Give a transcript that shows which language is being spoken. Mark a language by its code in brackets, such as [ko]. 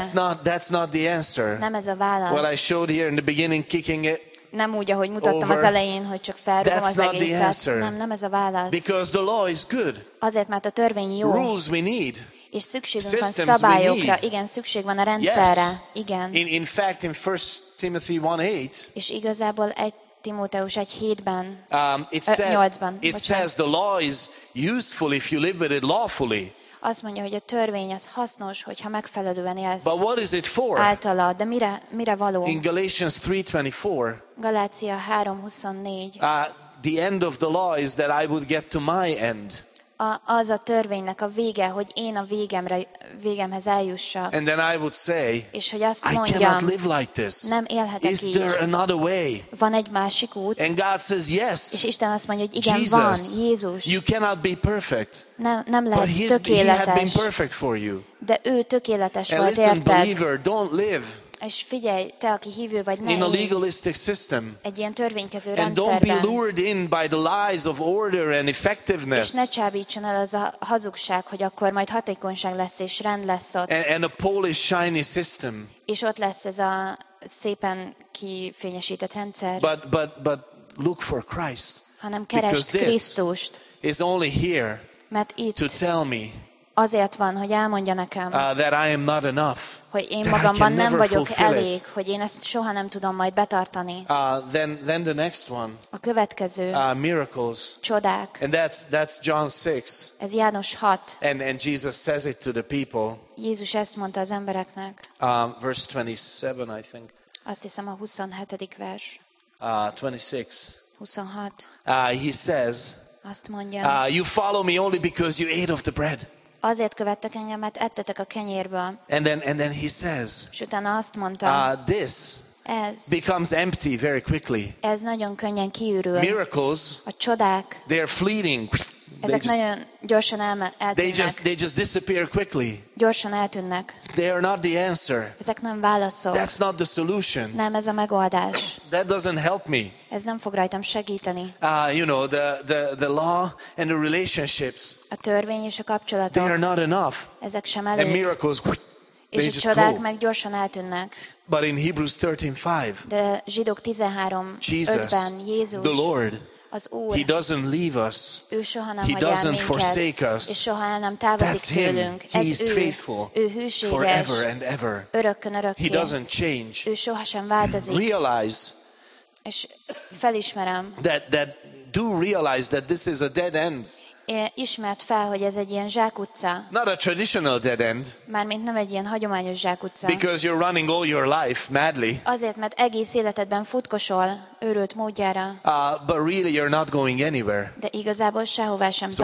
[en] That's not the answer. [hu] Nem ez a válasz. [en] What I showed here in the beginning, kicking it. [hu] nem úgy, ahogy mutattam az elején, hogy csak felrúgom az egészet. Nem, nem ez a válasz. [en] Because the law is good. [hu] Azért, mert a törvény jó. [en] Rules we need. [hu] És szükségünk van szabályokra. Igen, szükség van a rendszerre. Igen. [en] In fact, in 1 Timothy 1:8. [hu] És igazából 1 Timóteus 1:7-ben. [en] It says the law is useful if you live with it lawfully. [hu] Azt mondja, hogy a törvény az hasznos, hogyha megfelelően élsz. [en] But what is it for? [hu] Általa, de mire való? [en] In Galatians 3:24. [hu] Galácia 3:24. [en] The end of the law is that I would get to my end. [hu] Az a törvénynek a vége, hogy én a végemhez eljussak. [en] And then I would say, [hu] és hogy azt mondjam, [en] I cannot live like this. [hu] Nem élhetek [en] is [hu] így. [en] There another way? [hu] Van egy másik út. [en] And God says, yes. [hu] És Isten azt mondja, hogy igen, Jesus, van, Jézus. [en] You cannot be perfect. [hu] Nem lehet [en] but [hu] tökéletes. [en] He had been perfect for you. [hu] De ő tökéletes [en] and [hu] volt, [en] listen, [hu] érted? [en] Believer, don't live [hu] és figyelj, te, aki hívő vagy, ne [en] in a legalistic system. [hu] Egy ilyen törvénykező rendszerben. [en] And don't be lured in by the lies of order and effectiveness. [hu] És ne csábítson el az a hazugság, hogy akkor majd hatékonyság lesz és rend lesz ott. [en] And a polished shiny system. [hu] És ott lesz ez a szépen kifényesített rendszer. [en] But look for Christ. [hu] Hanem keresd Krisztust. [en] Is only here. [hu] Mert itt. [en] To tell me. [hu] Azért van, hogy elmondja nekem, [en] that I am not enough, [hu] hogy én magamban nem vagyok elég, hogy én ezt soha nem tudom majd betartani. [en] Then the next one, [hu] a következő, [en] miracles, [hu] csodák, [en] and that's John 6. [hu] Ez János 6. [en] And Jesus says it to the people. [hu] Jézus ezt mondta az embereknek. [en] Verse 27, I think. [hu] Azt hiszem a 27. vers. [en] 26. [hu] 26. [en] He says, [hu] azt mondja, [en] you follow me only because you ate of the bread. [hu] Azért követtek engem, mert ettetek a kenyérből. [en] And then he says, [hu] és utána azt mondta, [en] this [hu] ez [en] becomes empty very quickly. [hu] Ez nagyon könnyen kiürül. [en] Miracles, [hu] a csodák, [en] they are fleeting. [hu] Ezek nagyon gyorsan eltűnnek. [en] They just disappear quickly. [hu] Gyorsan eltűnnek. [en] They are not the answer. [hu] Ezek nem válaszok. [en] That's not the solution. [hu] Nem ez a megoldás. [en] That doesn't help me. [hu] Ez nem fog rajtam segíteni. [en] You know, the law and the relationships. [hu] A törvény és a kapcsolatok. [en] They are not enough. [hu] Ezek sem elég. [en] And miracles, they just go. [hu] És a csodák meg gyorsan eltűnnek. [en] But in Hebrews 13:5. [hu] De Zsidók 13:5-ben Jézus. [en] The Lord. [hu] Az Úr. [en] He doesn't leave us. [hu] Ő soha nem [en] he doesn't [hu] minket, [en] forsake us. [hu] És soha el nem távozik [en] that's him. [hu] Tőlünk. [en] He is faithful. [hu] Ő hűséges. [en] Forever and ever. [hu] Örökkön örökké. [en] He doesn't change. [hu] Ő sohasem változik. [en] Realize. [hu] És felismerem. [en] That do realize that this is a dead end. [hu] Ismert fel, hogy ez egy ilyen zsákutca. [en] Not a traditional dead end. [hu] Mármint nem egy ilyen hagyományos zsákutca. [en] Because you're running all your life madly. [hu] Azért, mert egész életedben futkosol őrült módjára. [en] But really you're not going anywhere. [hu] De igazából sehová sem [en] so